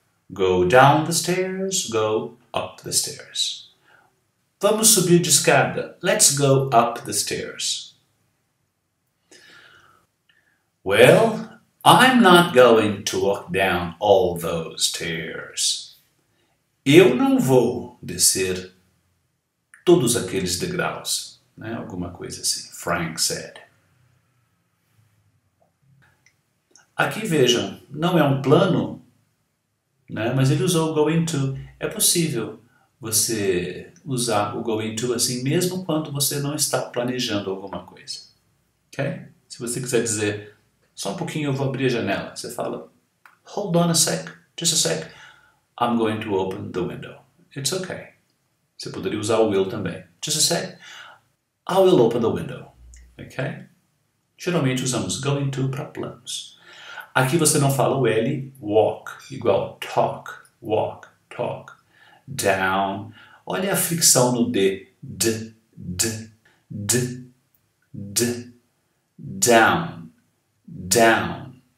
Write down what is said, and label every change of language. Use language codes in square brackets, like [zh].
[en] Go down the stairs, go up the stairs. [pt] Vamos subir de escada. [en] Let's go up the stairs. Well, I'm not going to walk down all those stairs. [pt] Eu não vou descer todos aqueles degraus, né? Alguma coisa assim, [en] Frank said. [pt] Aqui vejam, não é um plano, né? Mas ele usou o going to. É possível você usar o going to assim, mesmo quando você não está planejando alguma coisa. Ok? Se você quiser dizer, só um pouquinho eu vou abrir a janela. Você fala, [en] hold on a sec, just a sec, I'm going to open the window. It's okay. [pt] Você poderia usar o will também. [en] Just a sec, I will open the window. [pt] Ok? Geralmente usamos going to para planos. Aqui você não fala o L, walk, igual talk, walk, talk, down. Olha a fricção no D, d, d, d, d, down, down.